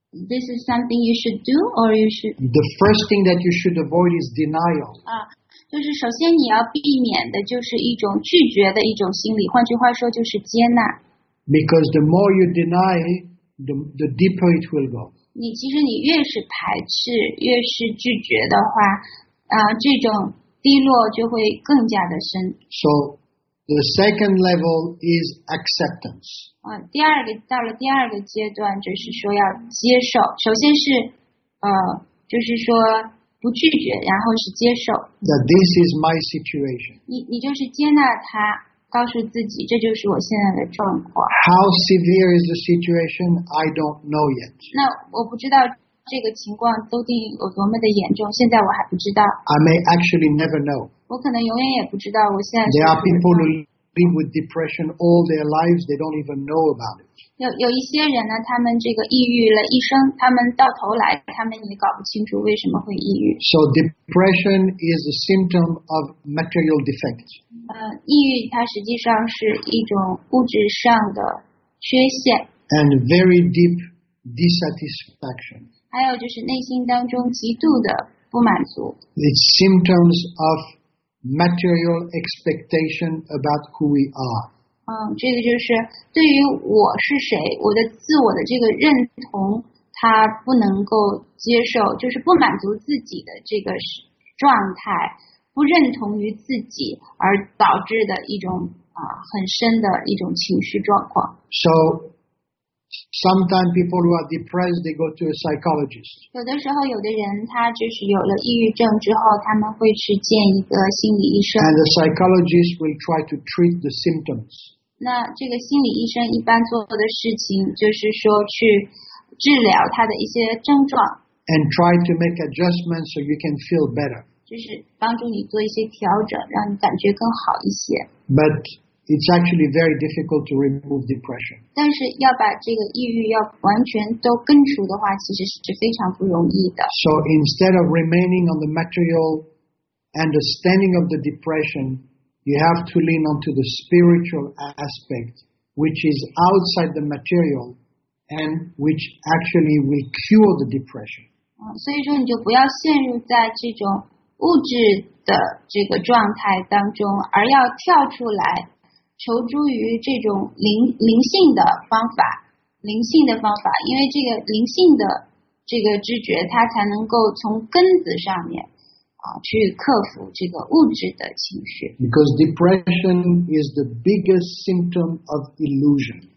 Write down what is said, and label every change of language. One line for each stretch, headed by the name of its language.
English: This is something you should do, or you should... The first thing that you should avoid is denial.
Chinese: 就是首先你要避免的就是一种拒绝的一种心理，换句话说就是接纳。
English: Because the more you deny, the deeper it will go.
Chinese: 你其实你越是排斥，越是拒绝的话，这种低落就会更加的深。
English: So, the second level is acceptance.
Chinese: 第二个到了第二个阶段，就是说要接受。首先是，就是说不拒绝，然后是接受。
English: That this is my situation.
Chinese: 你就是接纳它。告诉自己，这就是我现在的状况。
English: How severe is the situation? I don't know yet.
Chinese: 那我不知道这个情况究竟有多么的严重，现在我还不知道。
English: I may actually never know.
Chinese: 我可能永远也不知道我现在。
English: There are people who live with depression all their lives. They don't even know about it.
Chinese: 有一些人呢，他们这个抑郁了一生，他们到头来他们也搞不清楚为什么会抑郁。
English: So depression is a symptom of material defects.
Chinese: 抑郁它实际上是一种物质上的缺陷。
English: And very deep dissatisfaction.
Chinese: 还有就是内心当中极度的不满足。
English: It's symptoms of material expectation about who we are.
Chinese: 这个就是对于我是谁，我的自我的这个认同，他不能够接受，就是不满足自己的这个状态，不认同于自己而导致的一种很深的一种情绪状况。
English: So, sometimes people who are depressed, they go to a psychologist.
Chinese: 有的时候，有的人他就是有了抑郁症之后，他们会去见一个心理医生。
English: And the psychologist will try to treat the symptoms.
Chinese: 那这个心理医生一般做的事情就是说去治疗他的一些症状。
English: And try to make adjustments so you can feel better.
Chinese: 就是帮助你做一些调整，让你感觉更好一些。
English: But it's actually very difficult to remove depression.
Chinese: 但是要把这个抑郁要完全都根除的话，其实是非常不容易的。
English: So instead of remaining on the material understanding of the depression, you have to lean onto the spiritual aspect, which is outside the material and which actually will cure the depression.
Chinese: 所以说你就不要陷入在这种物质的这个状态当中，而要跳出来。求助于这种灵性的方法，灵性的方法，因为这个灵性的这个知觉，它才能够从根子上面去克服这个物质的情绪。
English: Because depression is the biggest symptom of illusion.